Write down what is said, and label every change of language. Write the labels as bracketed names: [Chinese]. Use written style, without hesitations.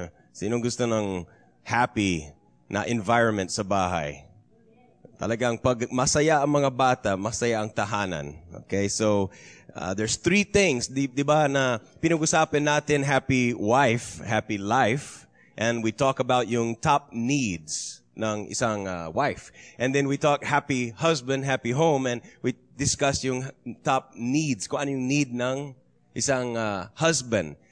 [Filipino] Sino gusto ng happy na environment sa bahay? Talagang pag masaya ang mga bata, masaya ang tahanan. [English] Okay, so there's three things. [Filipino] Diba na pinag-usapin natin [English] happy wife, happy life. And we talk about yung top needs ng isang wife. And then we talk happy husband, happy home. And we discuss yung top needs. [Filipino] Kung ano yung need ng isang husband.